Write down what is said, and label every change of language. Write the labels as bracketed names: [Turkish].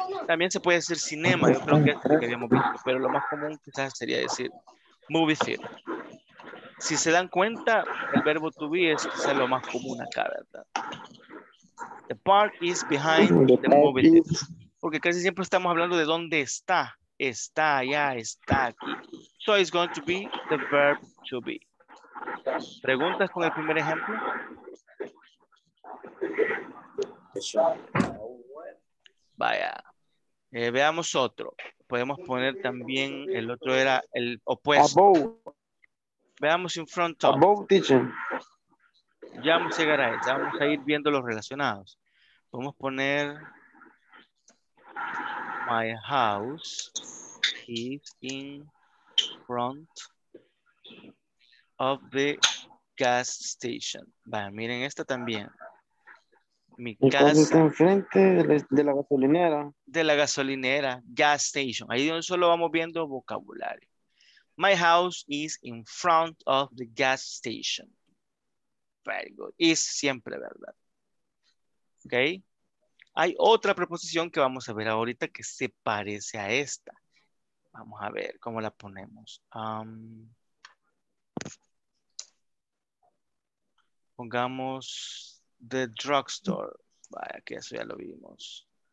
[Spanish] También se puede decir cinema. Yo creo que es lo que habíamos visto, pero lo más común quizás sería decir movie theater. Si se dan cuenta, el verbo to be es quizá lo más común acá, ¿verdad? The park is behind the movie theater. Porque casi siempre estamos hablando de dónde está. Está allá, está aquí. [English] So it's going to be the verb to be. [Spanish] ¿Preguntas con el primer ejemplo? Vaya. Veamos otro. Podemos poner también, el otro era el opuesto. Veamos [English] in front of. Above teaching. [Spanish] Ya vamos a llegar a eso. Vamos a ir viendo los relacionados. Vamos a poner. [English] My house is in front of the gas station. [Spanish] Vaya, miren esta también. Mi casa está enfrente de la gasolinera. De la gasolinera, gas station. Ahí solo vamos viendo vocabulario. [English] My house is in front of the gas station. Very good. Is [Spanish] siempre verdad. [English] Ok. [Spanish] Hay otra preposición que vamos a ver ahorita que se parece a esta. Vamos a ver cómo la ponemos. Pongamos the drugstore. Vaya, que eso ya lo vimos.